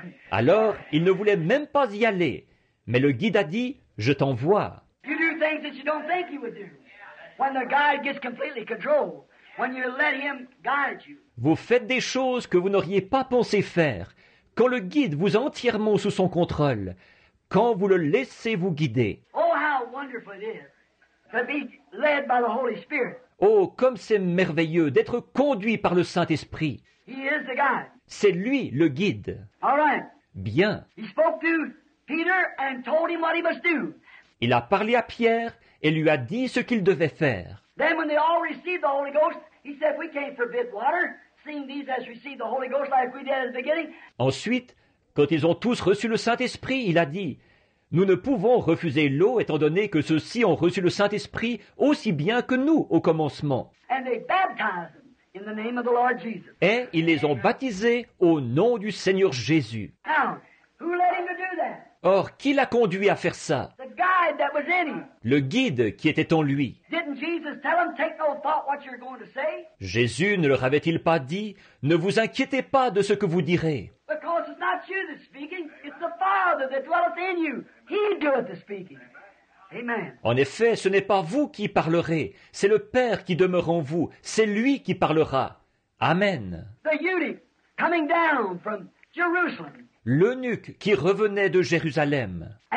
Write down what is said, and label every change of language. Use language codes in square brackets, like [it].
[fr] Alors, il ne voulait même pas y aller. Mais le guide a dit, « Je t'envoie. » [en] You do things that you don't think he would do. When the guide gets completely controlled, when you let him guide you. [fr] Vous faites des choses que vous n'auriez pas pensé faire quand le guide vous est entièrement sous son contrôle, quand vous le laissez vous guider. [en] Oh, how wonderful it is to be led by the Holy Spirit. [fr] Oh, comme c'est merveilleux d'être conduit par le Saint-Esprit. [en] He is the guide. [fr] C'est lui le guide. [en] All right. [fr] Bien. [en] He spoke to Peter and told him what he must do. [fr] Il a parlé à Pierre et lui a dit ce qu'il devait faire. [en] Then when they all received the Holy Ghost, he said, we can't forbid water, seeing these as received the Holy Ghost like we did at the beginning. [fr] Ensuite, quand ils ont tous reçu le Saint-Esprit, il a dit, nous ne pouvons refuser l'eau étant donné que ceux-ci ont reçu le Saint-Esprit aussi bien que nous au commencement. [en] And they baptized them in the name of the Lord Jesus. [fr] Et ils les ont baptisés au nom du Seigneur Jésus. [en] Now, who led him to do that? [fr] Or, qui l'a conduit à faire ça? [en] The guide that was in him. [fr] Le guide qui était en lui. [en] Didn't Jesus tell him, take no thought what you're going to say? [fr] Jésus ne leur avait-il pas dit, ne vous inquiétez pas de ce que vous direz? [en] Because it's not you that's speaking, it's the Father that dwelleth in you. He doeth the speaking. Amen. [fr] En effet, ce n'est pas vous qui parlerez, c'est le Père qui demeure en vous, c'est lui qui parlera. [en] Amen. The eunuch coming down from Jerusalem. [fr] L'eunuque qui revenait de Jérusalem.